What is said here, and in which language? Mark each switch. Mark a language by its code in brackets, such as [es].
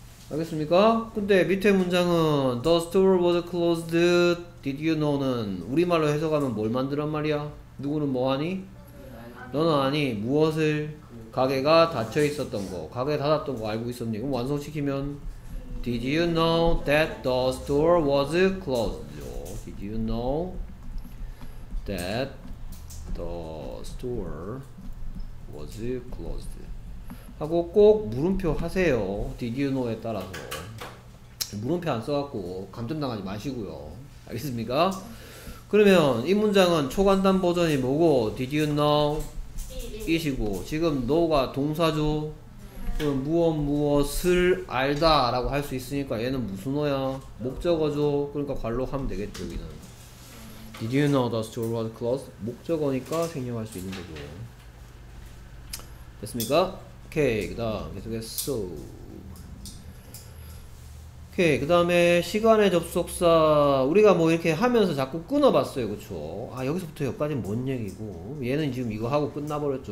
[ko] 알겠습니까? 근데 밑에 문장은 [en] The store was closed. Did you know [ko] 는 우리말로 해석하면 뭘 만드란 말이야? 누구는 뭐하니? 너는 아니. 무엇을? 가게가 닫혀있었던 거. 가게 닫았던 거 알고 있었니? 그럼 완성시키면 [en] Did you know that the store was closed? Did you know that the store was closed? [ko] 하고 꼭 물음표 하세요. [en] Did you know [ko] 에 따라서. 물음표 안 써갖고 감점당하지 마시고요. 알겠습니까? 그러면 이 문장은 초간단 버전이 뭐고 [en] Did you know? [ko] 이시고 지금 너가 동사죠. 그럼 무엇 무엇을 알다 라고 할 수 있으니까 얘는 무슨 어야? 목적어죠. 그러니까 관록 하면 되겠죠. 여기는 [en] Did you know the store was closed? [ko] 목적어니까 생략할 수 있는 거죠. 됐습니까? 오케이. 그 다음 계속했어. 오케이. 그 다음에 시간의 접속사 우리가 뭐 이렇게 하면서 자꾸 끊어봤어요. 그쵸? 아 여기서부터 여기까지 뭔 얘기고 얘는 지금 이거 하고 끝나버렸죠.